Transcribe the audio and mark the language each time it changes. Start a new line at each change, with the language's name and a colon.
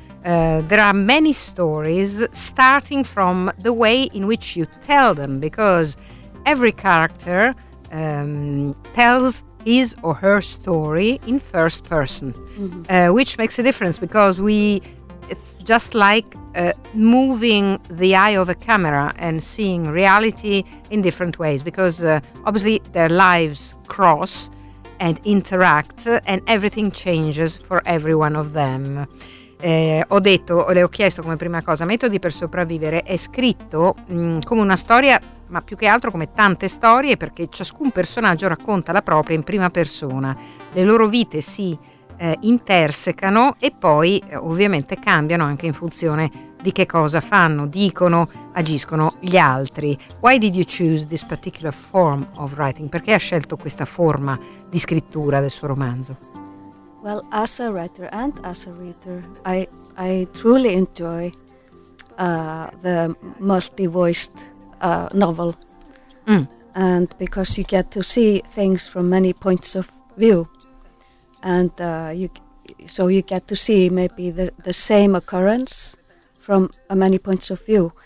English: There are many stories, starting from the way in which you tell them, because every character tells his or her story in first person, which makes a difference, because it's just like moving the eye of a camera and seeing reality in different ways, because obviously their lives cross and interact and everything changes for every one of them.
Italian: Le ho chiesto come prima cosa, Metodi per sopravvivere è scritto come una storia, ma più che altro come tante storie, perché ciascun personaggio racconta la propria in prima persona, le loro vite si intersecano e poi ovviamente cambiano anche in funzione di che cosa fanno, dicono, agiscono gli altri.
English: Why did you choose this particular form of writing?
Italian: Perché ha scelto questa forma di scrittura del suo romanzo?
English: Well, as a writer and as a reader, I truly enjoy the multi-voiced novel. Mm. And because you get to see things from many points of view, and you get to see maybe the same occurrence from many points of view.